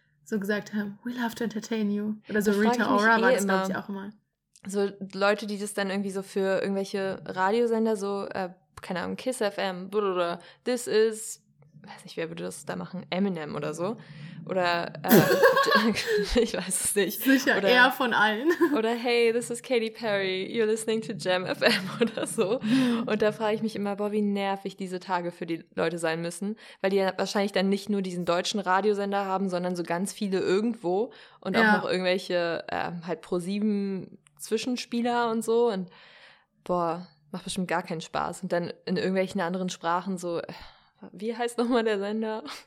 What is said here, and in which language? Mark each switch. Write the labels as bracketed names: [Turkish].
[German] So gesagt haben, [English] we love to entertain you. [German] Oder so das Rita Ora war das, glaube ich, auch immer. So Leute, die das dann irgendwie so für irgendwelche Radiosender so, keine Ahnung, Kiss FM, blablabla, [English] this is, [German] weiß nicht, wer würde das da machen, Eminem oder so. Oder, ich weiß es nicht. Sicher, oder, eher von allen. Oder, [English] hey, this is Katy Perry, you're listening to Jam FM [German] oder so. Und da frage ich mich immer, boah, wie nervig diese Tage für die Leute sein müssen. Weil die wahrscheinlich dann nicht nur diesen deutschen Radiosender haben, sondern so ganz viele irgendwo. Und auch noch irgendwelche halt ProSieben-Zwischenspieler und so. Und, boah, macht bestimmt gar keinen Spaß. Und dann in irgendwelchen anderen Sprachen so, wie heißt nochmal der Sender?